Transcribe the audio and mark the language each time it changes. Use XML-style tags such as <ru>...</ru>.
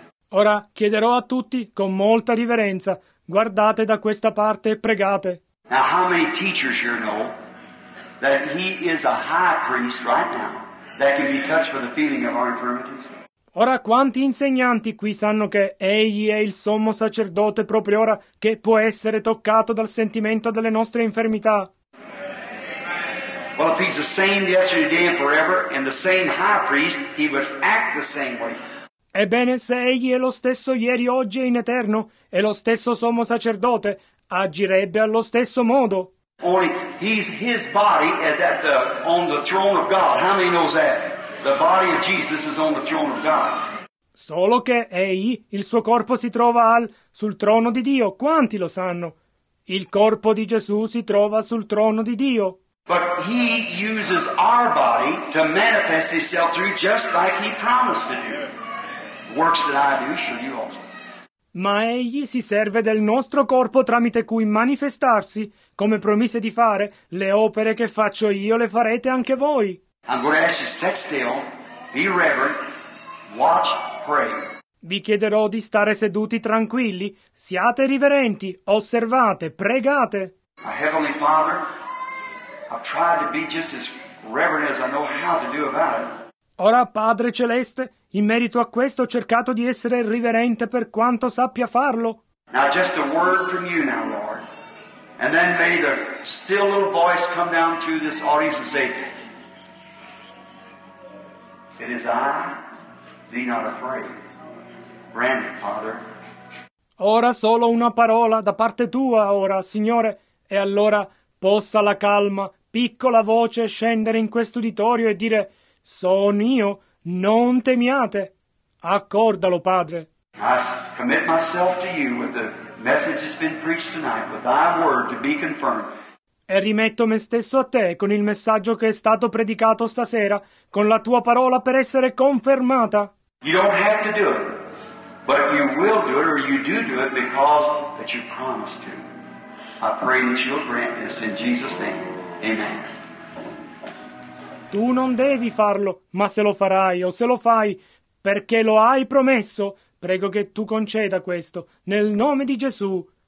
<it>Ora chiederò a tutti, con molta riverenza, guardate da questa parte e pregate.</it> <en>Now how many teachers here know that he is a high priest right now that can be touched by the feeling of our infirmities?</en> <it>Ora quanti insegnanti qui sanno che egli è il sommo sacerdote proprio ora che può essere toccato dal sentimento delle nostre infermità?</it> <en>Well, if he's the same yesterday, today, and forever, and the same high priest, he would act the same way.</en> <it>Ebbene, se egli è lo stesso ieri, oggi e in eterno, e lo stesso sommo sacerdote, agirebbe allo stesso modo.</it> <en>Only his body is on the throne of God. How many knows that? The body of Jesus is on the throne of God.</en> <it>Solo che egli, il suo corpo si trova sul trono di Dio. Quanti lo sanno? Il corpo di Gesù si trova sul trono di Dio.</it> <en>But he uses our body to manifest himself through just like he promised to do. Works that I do, show you also.</en> <it>Ma egli si serve del nostro corpo tramite cui manifestarsi, come promise di fare, le opere che faccio io le farete anche voi.</it> <en>I'm going to ask you to sit still, be reverent, watch, pray.</en> <it>Vi chiederò di stare seduti tranquilli, siate riverenti, osservate, pregate.</it> <en>My Heavenly Father, I've tried to be just as reverent as I know how to do about it.</en> <it>Ora, Padre Celeste, in merito a questo ho cercato di essere riverente per quanto sappia farlo.</it> <en>Now just a word from you now, Lord. And then may the still little voice come down to this audience and say, it is I, be not afraid. Grant it, Father.</en> <it>Ora solo una parola da parte tua, ora, Signore, e allora possa la calma, piccola voce scendere in quest'uditorio e dire, sono io, non temiate. Accordalo, Padre.</it> <en>I commit myself to you with the message that's been preached tonight, with thy word to be confirmed.</en> <it>e rimetto me stesso a te con il messaggio che è stato predicato stasera, con la tua parola per essere confermata.</it> <en>You don't have to do it, but you will do it, or you do do it because that you promised to. I pray that you'll grant this in Jesus' name. Amen.</en> <it>Tu non devi farlo, ma se lo farai o se lo fai perché lo hai promesso, prego che tu conceda questo nel nome di Gesù.</it>